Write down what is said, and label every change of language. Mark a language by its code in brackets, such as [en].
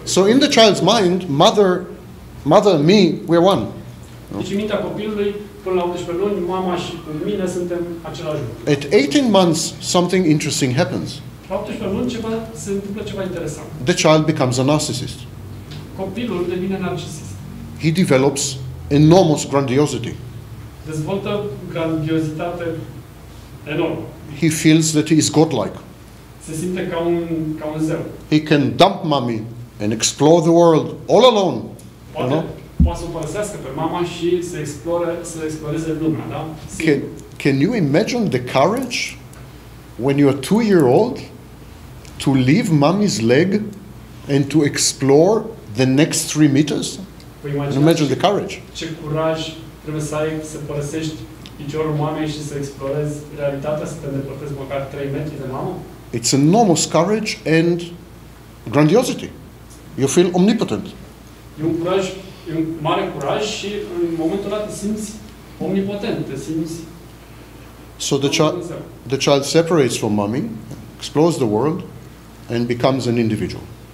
[en] So in the child's mind, mother, me, we're one. [ro] Deci în mintea copilului, până la 18 luni, mama și mine suntem același lucru. [en] At 18 months, something interesting happens. [ro] La 18 luni, se întâmplă ceva interesant. [en] The child becomes a narcissist. [ro] Copilul devine narcisist. [en] He develops enormous grandiosity. [ro] Dezvoltă grandiozitate enormă. [en] He feels that he is godlike. [ro] Se simte ca un zeu. [en] He can dump mommy and explore the world all alone. [ro] Poate, [en] you know? [ro] Poate să o părăsească pe mama și să exploreze lumea, da? [en] Can you imagine the courage when you are 2-year-old to leave mommy's leg and to explore the next 3 meters? Imagine the courage. [ro] Ce curaj trebuie să ai să părăsești piciorul mamei și să explorezi realitatea, să te îndepărtezi măcar 3 metri de mamă? [en] It's enormous courage and grandiosity. You feel omnipotent. [ro] E un mare curaj și în momentul ăla te simți omnipotent, te simți. [en] So the child separates from mommy, explores the world, and becomes an individual.